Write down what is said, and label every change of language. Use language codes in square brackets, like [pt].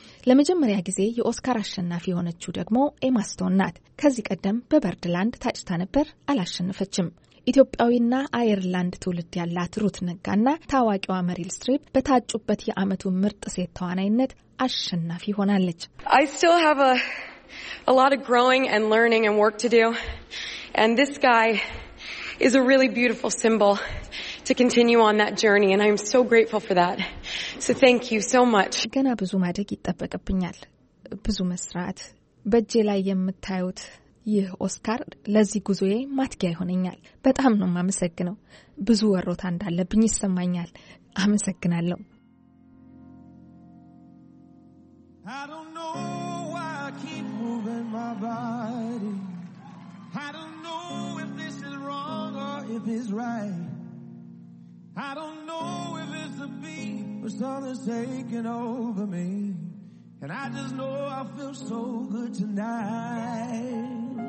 [am] ለመጀመሪያ ጊዜ የኦስካር አሸናፊ ሆነችው ደግሞ ኤማ ስቶን ናት። ከዚህ ቀደም በበርድላንድ ታጭታ ነበር፣ አላሸነፈችም። ኢትዮጵያዊና አየርላንድ ትውልድ ያላት ሩት ነጋና ታዋቂዋ ሜሪል ስትሪፕ በታጩበት የአመቱ ምርጥ ሴት ተዋናይነት አሸናፊ ሆናለች። [en] I still have a lot of growing and learning and work to do. And this guy is a really beautiful symbol to continue on that journey and I'm so grateful for that. So thank you so much. [am] ገና ብዙ ማድረግ ይጠበቅብኛል። ብዙ መስራት በጄ ላይ የምታዩት ይህ ኦስካር ለዚህ ጉዞዬ ማትጊያ ሆነኛል። በጣም ነው ማመሰግነው። ብዙ ወሮታ እንዳለብኝ ይስማኛል። አመሰግናለሁ። [en] I don't know why I keep moving my body. I don't know if this is wrong or if it's right. I don't know if it's a beat or something's taking over me. And I just know I feel so good tonight.